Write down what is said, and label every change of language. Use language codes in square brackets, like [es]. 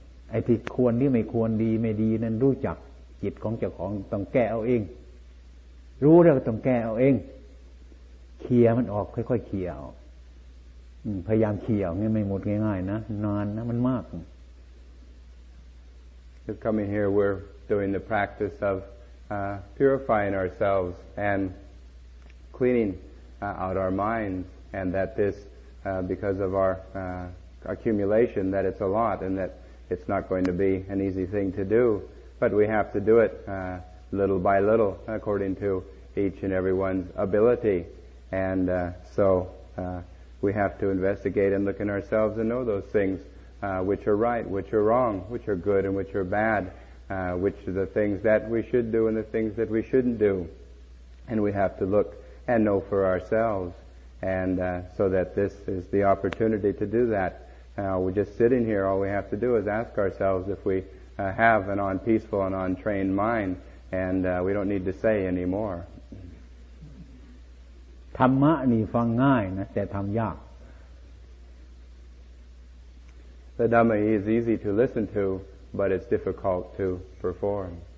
[th] ไอ้ที่ควรที่ไม่ควรดีไม่ดีนั้นรู้จักจิตของเจ้าของต้องแก้เอาเองรู้แล้วต้องแก้เอาเองเคลียร์มันออกค่อยๆเคลียร์ออกพยายามเคลียร์ไม่หมดง่ายๆนะนานนะมันมาก [en] So coming here, we're doing the practice of purifying ourselves and cleaning out our minds, and that this, because of our accumulation, that it's a lot, and that it's not going to be an easy thing to do. But we have to do it little by little, according to each and everyone's ability. And so we have to investigate and look in ourselves and know those things. Which are right, which are wrong, which are good and which are bad, which are the things that we should do and the things that we shouldn't do. And we have to look and know for ourselves. And so that this is the opportunity to do that. We're just sitting here, all we have to do is ask ourselves if we have an unpeaceful and untrained mind, and we don't need to say any more. [th] ธรรมะนี่ฟังง่ายนะแต่ทำยาก [en] The Dhamma is easy to listen to, but it's difficult to perform.